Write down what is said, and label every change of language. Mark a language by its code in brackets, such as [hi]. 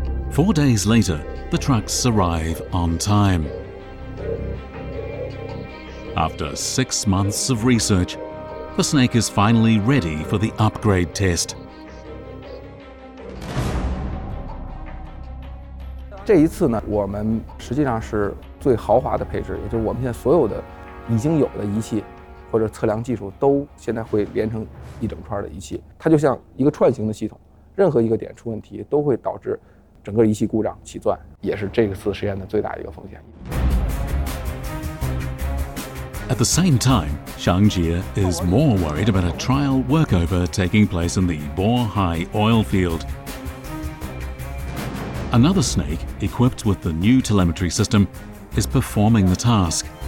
[en] Four days later, the trucks arrive on time. After 6 months of research, the Snake is finally ready for the upgrade test. [zh] 这一次呢，我们实际上是最豪华的配置，也就是我们现在所有的已经有的仪器或者测量技术都现在会连成一整串的仪器。它就像一个串行的系统，任何一个点出问题都会导致整个仪器故障起钻，也是这个次实验的最大一个风险。 [en] At the same time, Changjie is more worried about a trial workover taking place in the Bohai oil field. Another Snake, equipped with the new telemetry system, is performing the task.